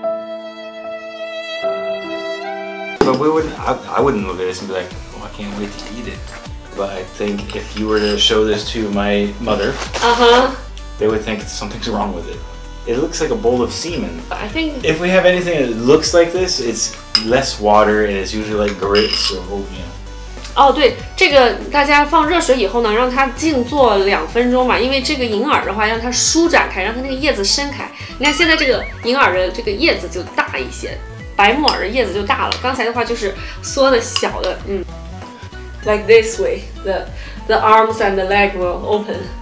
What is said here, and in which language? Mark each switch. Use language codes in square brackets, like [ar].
[en] But I wouldn't look at this and be like, oh, I can't wait to eat it. But I think if you were to show this to my mother, they would think something's wrong with it. It looks like a bowl of semen. I think if we have anything that looks like this, it's less water and it's usually like grits or oatmeal. [zh] 哦，对，这个大家放热水以后呢，让它静坐2分钟吧，因为这个银耳的话，让它舒展开，让它那个叶子伸开。你看现在这个银耳的这个叶子就大一些，白木耳的叶子就大了，刚才的话就是缩的小的，嗯。 [en] Like this way, the arms and the leg will open.